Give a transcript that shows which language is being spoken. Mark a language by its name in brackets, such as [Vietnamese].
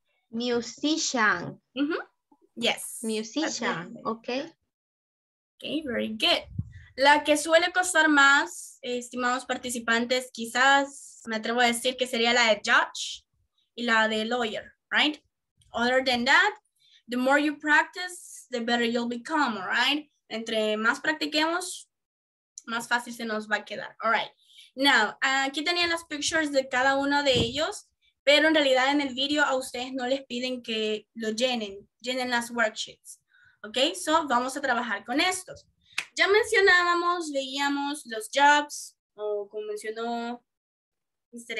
[English] Musician. Mm-hmm. Yes. Musician, okay. Okay, very good. [Spanish] La que suele costar más, estimados participantes, quizás me atrevo a decir que sería la de judge y la de lawyer, [English] right? Other than that, the more you practice, the better you'll become, all right? [Spanish] Entre más practiquemos, más fácil se nos va a quedar, [English] all right? Now, [Spanish] aquí tenía las pictures de cada uno de ellos, pero en realidad en el video a ustedes no les piden que lo llenen las worksheets, okay? [English] So, [Spanish] vamos a trabajar con estos. Ya mencionábamos, veíamos los jobs, o como mencionó Mr.